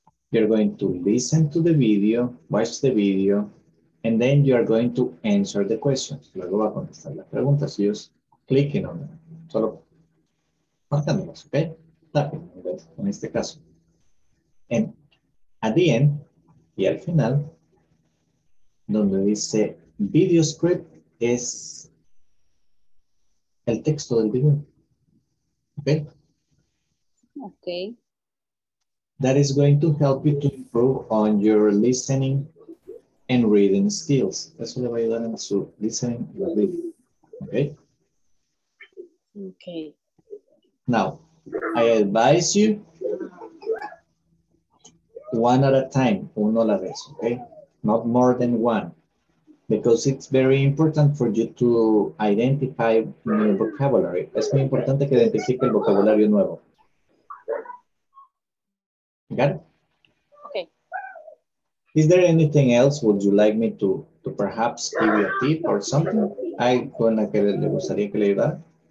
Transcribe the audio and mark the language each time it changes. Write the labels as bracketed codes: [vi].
[en] You're going to listen to the video, watch the video, and then you are going to answer the questions. [es] Luego va a contestar las preguntas y ellos [en] clicking on them. [es] Solo marcándolas, ¿ok? Tapping, en este caso. [en] And at the end, [es] y al final, donde dice video script es el texto del video. Okay. [en] Okay. That is going to help you to improve on your listening and reading skills. [es] Eso le va a ayudar en su listening y reading. [en] Okay. Okay. Now, I advise you one at a time, [es] uno a la vez. [en] Okay. Not more than one, because it's very important for you to identify new vocabulary. [es] Es muy importante que identifique el vocabulario nuevo. [en] Got it? Okay. Is there anything else would you like me to perhaps give you a tip or something? [es] ¿Hay con la que le gustaría que le ayudara?